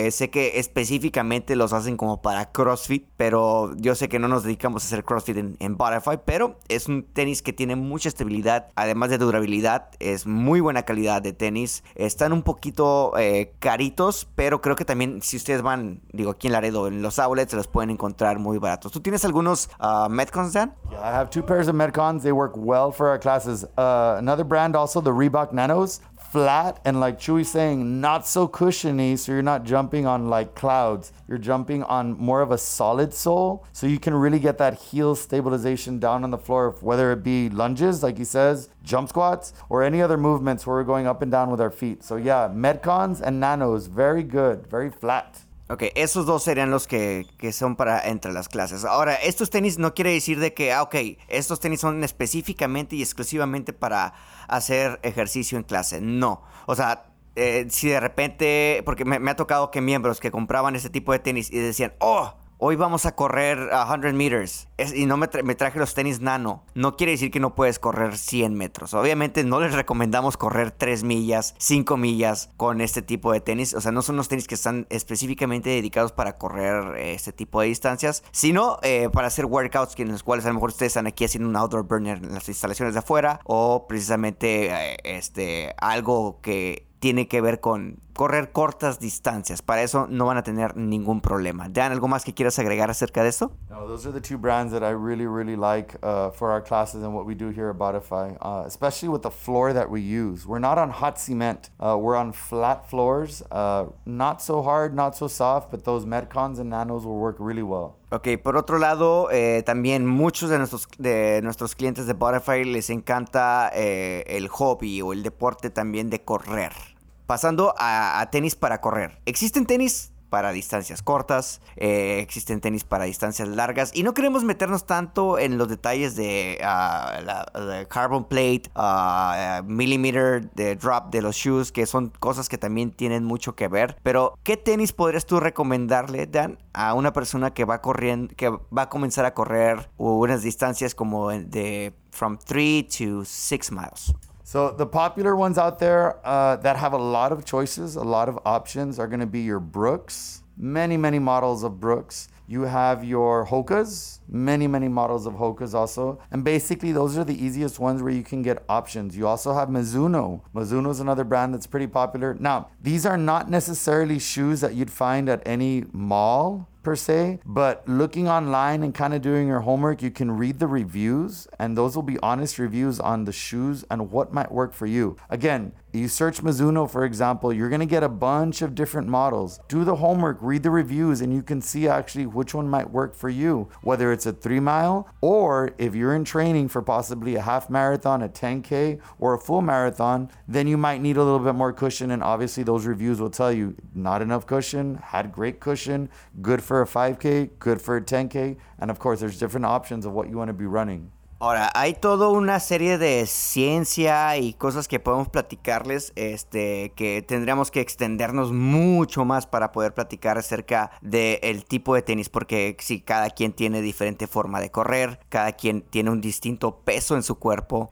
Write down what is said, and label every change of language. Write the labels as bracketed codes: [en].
[es] Sé que específicamente los hacen como para CrossFit, pero yo sé que no nos dedicamos a hacer CrossFit en Bodify, pero es un tenis que tiene mucha estabilidad, además de durabilidad, es muy buena calidad de tenis. Están un poquito caritos, pero creo que también si ustedes van, digo, aquí en Laredo, en los outlets, se los pueden encontrar muy baratos. ¿Tú tienes algunos Metcons, Dan? [en] Yeah, I have two pairs of Metcons. They work well for our classes. Another brand also, the Reebok Nanos. Flat and, like Chuy saying, not so cushiony, so you're not jumping on like clouds. You're jumping on more of a solid sole, so you can really get that heel stabilization down on the floor, whether it be lunges, like he says, jump squats, or any other movements where we're going up and down with our feet. So yeah, Metcons and Nanos, very good, very flat. [es] Okay, esos dos serían los que son para entre las clases. Ahora, estos tenis no quiere decir de que, okay, estos tenis son específicamente y exclusivamente para hacer ejercicio en clase. No. O sea, si de repente, porque me ha tocado que miembros que compraban ese tipo de tenis y decían, oh, hoy vamos a correr a [en] 100 meters [es] y no me traje los tenis nano, no quiere decir que no puedes correr 100 metros. Obviamente no les recomendamos correr 3 millas, 5 millas con este tipo de tenis. O sea, no son los tenis que están específicamente dedicados para correr este tipo de distancias, sino para hacer workouts en los cuales a lo mejor ustedes están aquí haciendo un [en] outdoor burner [es] en las instalaciones de afuera o precisamente algo que tiene que ver con correr cortas distancias. Para eso no van a tener ningún problema. Dan, ¿algo más que quieras agregar acerca de esto? [en] No, those are the two brands that I really, really like for our classes and what we do here at Bodify, especially with the floor that we use. We're not on hot cement. We're on flat floors, not so hard, not so soft, but those Metcons and Nanos will work really well. [es] Ok, por otro lado, también muchos de nuestros clientes de Bodify les encanta el hobby o el deporte también de correr. Pasando a tenis para correr. Existen tenis para distancias cortas, existen tenis para distancias largas y no queremos meternos tanto en los detalles de la [en] carbon plate, millimeter [es] de drop de los [en] shoes, [es] que son cosas que también tienen mucho que ver. Pero, ¿qué tenis podrías tú recomendarle, Dan, a una persona que va corriendo, que va a comenzar a correr unas distancias como de [en] from 3 to 6 miles? So the popular ones out there that have a lot of choices, a lot of options are going to be your Brooks. Many, many models of Brooks. You have your Hokas, many, many models of Hokas also. And basically, those are the easiest ones where you can get options. You also have Mizuno. Mizuno is another brand that's pretty popular. Now, these are not necessarily shoes that you'd find at any mall per se, but looking online and kind of doing your homework, you can read the reviews, and those will be honest reviews on the shoes and what might work for you. Again, you search Mizuno, for example, you're going to get a bunch of different models. Do the homework, read the reviews, and you can see actually which one might work for you, whether it's a 3 mile, or if you're in training for possibly a half marathon, a 10K, or a full marathon, then you might need a little bit more cushion. And obviously, those reviews will tell you not enough cushion, had great cushion, good for a 5K, good for a 10K. And of course, there's different options of what you want to be running. [es] Ahora, hay toda una serie de ciencia y cosas que podemos platicarles, que tendríamos que extendernos mucho más para poder platicar acerca del tipo de tenis, porque sí, cada quien tiene diferente forma de correr, cada quien tiene un distinto peso en su cuerpo.